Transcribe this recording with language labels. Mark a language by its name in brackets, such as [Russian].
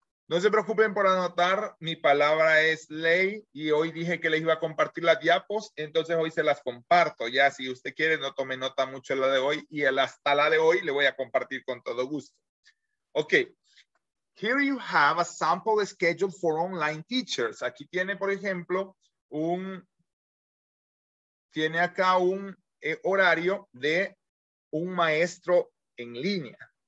[Spanish] No se preocupen por anotar, mi palabra es ley y hoy dije que les iba a compartir las diapos, entonces hoy se las comparto. Ya si usted quiere, no tome nota mucho la de hoy y hasta la de hoy le voy a compartir con todo gusto. [English] Okay, here you have a sample schedule for online teachers. [Spanish] Aquí tiene, por ejemplo, un, tiene acá un horario de un maestro en línea.